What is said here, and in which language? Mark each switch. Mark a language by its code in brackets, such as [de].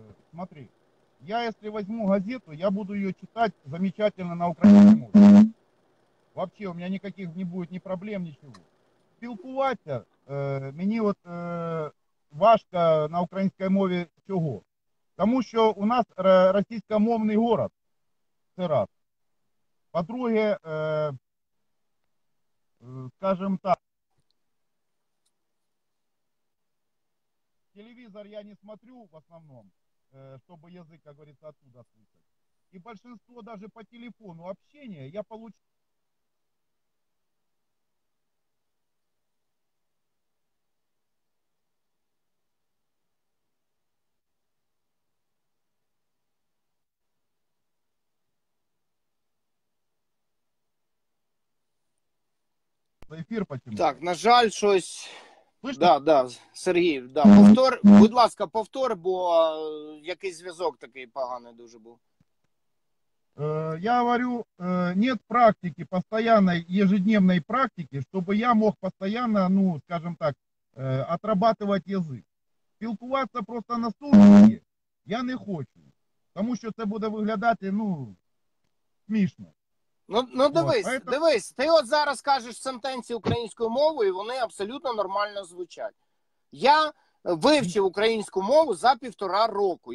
[uk] Смотри, я, якщо візьму газету, я буду її читати замечательно на українській мові. Взагалі, у мене ніяких не буде ні проблем, нічого. Спілкуватися, мені от важко на українській мові чого? Тому що у нас російськомовний город. Це раз. По-друге, скажімо так, телевізор [ru] я не смотрю в основному, чтобы язык, как говорится, оттуда слышать. И большинство даже по телефону общения я получу. За эфир почему? [uk] Так, на жаль, щось... [ru] Слышно? Да, да, [uk] Сергій, да. Повтор, будь ласка, повтор, бо якийсь зв'язок такий поганий дуже був. [ru] Я говорю, нет практики, постоянной, ежедневной практики, чтобы я мог постоянно, ну, скажем так, отрабатывать язык. [uk] Спілкуватися просто на службі я не хочу, тому що це буде виглядати, ну, смішно. Ну дивись, вот, дивись, ти от зараз кажеш сентенції українською мовою, і вони абсолютно нормально звучать. Я вивчив українську мову за півтора року.